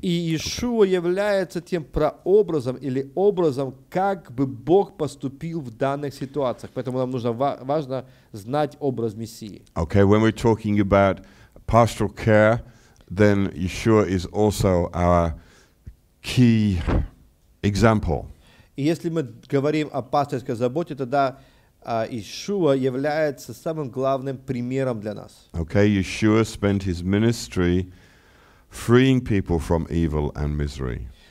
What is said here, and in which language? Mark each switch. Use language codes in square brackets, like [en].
[ru] И Иешуа является тем прообразом или образом, как бы Бог поступил в данных ситуациях. Поэтому нам нужно важно знать образ Мессии. [en] Okay, when we're talking about pastoral care, then Yeshua is also our key example. [ru] И если мы говорим о пастырской заботе, тогда Иешуа является самым главным примером для нас. [en] Okay, Yeshua spent his ministry freeing people from evil and misery.